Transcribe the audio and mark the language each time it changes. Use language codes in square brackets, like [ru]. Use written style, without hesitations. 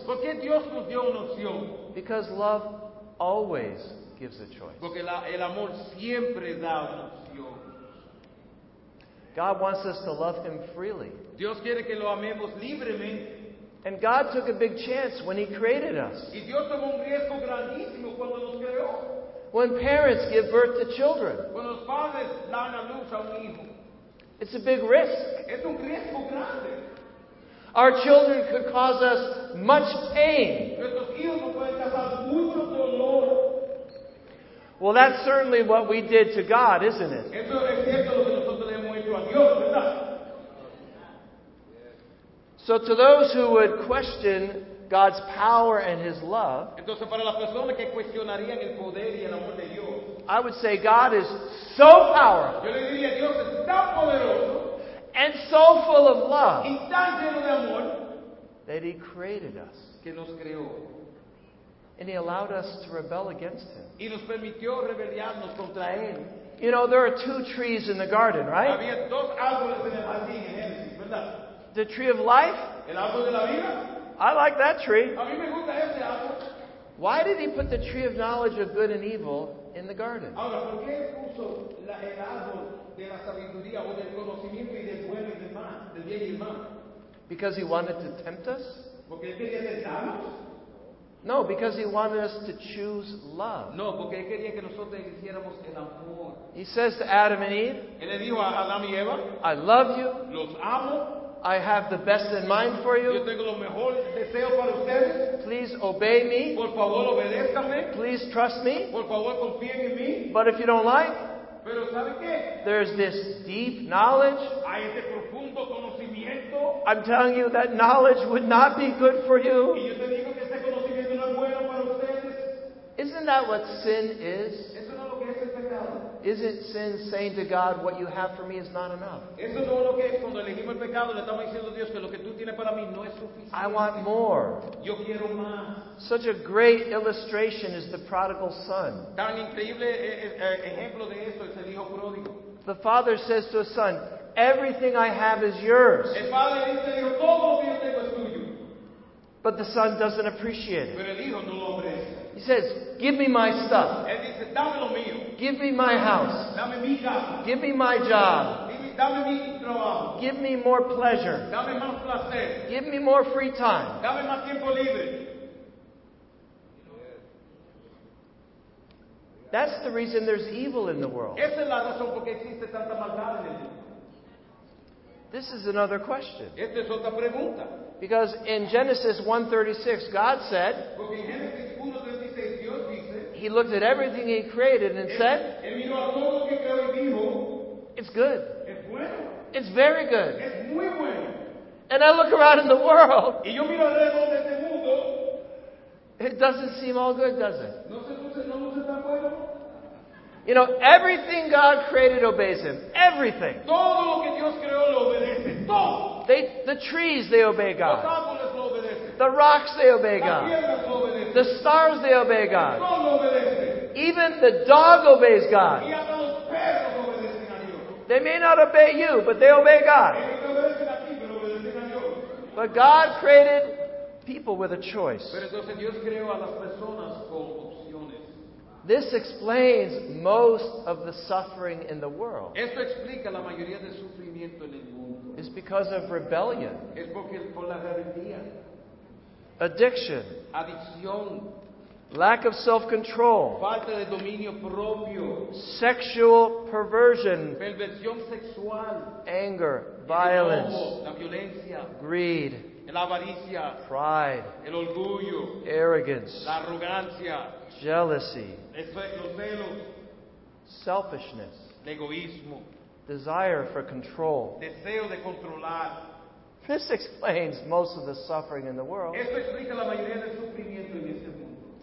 [es] ¿Por qué Dios nos dio una opción? [en] Because love always gives a choice. [es] Porque el amor siempre da una opción. [en] God wants us to love Him freely. [es] Dios quiere que lo amemos libremente. [en] And God took a big chance when He created us. [es] Y Dios tomó un riesgo grandísimo cuando nos creó. [en] When parents give birth to children. [es] Cuando los padres dan a luz a un hijo. [en] It's a big risk. [es] Es un riesgo grande. [en] Our children could cause us much pain. [es] Nuestros hijos nos pueden causar mucho dolor. [en] Well, that's certainly what we did to God, isn't it? [es] Eso es cierto lo que nosotros le hemos hecho a Dios, ¿verdad? [en] So to those who would question God's power and His love, [es] entonces para las personas que cuestionarían el poder y el amor de Dios, [en] I would say God is so powerful. [es] Yo le diría, Dios es tan poderoso. [en] And so full of love. [es] Y tan lleno de amor. [en] That He created us. [es] Que nos creó. [en] And He allowed us to rebel against Him. [es] Y nos permitió rebelarnos contra Él. [en] You know, there are two trees in the garden, right? [es] Había dos árboles en el jardín en Génesis, ¿verdad? [en] The tree of life. [es] El árbol de la vida. [en] I like that tree. [es] A mí me gusta ese árbol. [en] Why did he put the tree of knowledge of good and evil in the garden? [es] Ahora, ¿por qué puso la, el árbol de la sabiduría o del conocimiento y del bueno y del mal, del bien y del mal? [en] Because he wanted to tempt us? [es] Porque él quería tentarnos. [en] No, because he wanted us to choose love. [es] No, porque él quería que nosotros eligiéramos el amor. [en] He says to Adam and Eve, [es] él le dijo a Adam y Eva, [en] I love you. [es] Los amo. [en] I have the best in mind for you. [es] Yo tengo lo mejor deseo para ustedes. [en] Please obey me. [es] Por favor, obedézcame. [en] Please trust me. [es] Por favor, confíen en mí. [en] But if you don't like, [es] pero ¿sabe qué? [en] There's this deep knowledge. [es] Hay este profundo conocimiento. [en] I'm telling you that knowledge would not be good for you. [es] Y yo te digo que este conocimiento no es bueno para ustedes. [en] Isn't that what sin is? [es] Eso no es lo que es el pecado. [en] Is it sin saying to God, what you have for me is not enough? [es] Eso no es lo que es. Cuando elegimos el pecado, le estamos diciendo a Dios que lo que tú tienes para mí no es suficiente. [en] I want more. [es] Yo quiero más. [en] Such a great illustration is the prodigal son. [es] Tan increíble ejemplo de esto es el hijo pródigo. [en] The father says to his son, everything I have is yours. [es] El padre dice, hijo, todo lo que yo tengo es tuyo. [en] But the son doesn't appreciate it. [es] Pero el hijo no lo aprecia. [en] He says, give me my stuff. [es] Él dice, dame lo mío. [en] Give me my house. [es] Dame mi casa. [en] Give me my job. [es] Dame mi trabajo. [en] Give me more pleasure. [es] Dame más placer. [en] Give me more free time. [es] Dame más tiempo libre. [en] That's the reason there's evil in the world. [es] Esa es la razón porque existe tanta maldad en el mundo. [en] This is another question. [es] Esta es otra pregunta. [en] Because in Genesis 1:36, God said, [es] porque en Génesis 1:36, Dios dice, [en] he looked at everything he created and said, [es] él miró a todo lo que creó y dijo, [en] it's good. [es] Es bueno. [en] It's very good. [es] Es muy bueno. [en] And I look around in the world, [es] y yo miro alrededor de este mundo, [en] it doesn't seem all good, does it? [es] No se luce, no luce tan bueno. [en] You know, everything God created obeys Him. Everything. [es] Todo lo que Dios creó lo obedece. Todo. [en] The trees, they obey God. [es] Los árboles lo obedecen. [en] The rocks, they obey God. [es] Las piedras lo obedecen. [en] The stars, they obey God. [es] Todo lo obedece. [en] Even the dog obeys God. [es] Y hasta los perros obedecen a Dios. [en] They may not obey you, but they obey God. [es] Ellos te obedecen a ti, pero obedecen a Dios. [en] But God created people with a choice. [es] Pero entonces Dios creó a las personas con opciones. [en] This explains most of the suffering in the world. [es] Esto explica la mayoría del sufrimiento en el mundo. [en] It's because of rebellion. [es] Es porque por la rebeldía. [en] Addiction. [es] Adicción. [en] Lack of self-control. [es] Falta de dominio propio. [en] Sexual perversion. [es] Perversión sexual. [en] Anger. Violence. [es] El enojo, la violencia. [en] Greed. [es] La avaricia. [en] Pride. [es] El orgullo. [en] Arrogance. [es] La arrogancia. [en] Jealousy. [es] Los celos. [en] Selfishness. [es] El egoísmo. [en] Desire for control. [es] Deseo de controlar. [en] This explains most of the suffering in the world. [es] Esto explica la mayoría del sufrimiento en este mundo.